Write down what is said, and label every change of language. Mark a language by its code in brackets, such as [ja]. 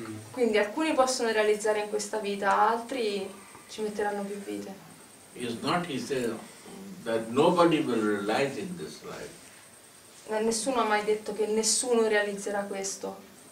[it] Quindi alcuni possono realizzare in questa vita, altri ci metteranno più vite. [en] It's not easy that nobody will realize in this life. [it] Ma nessuno ha mai detto che nessuno realizzerà questo.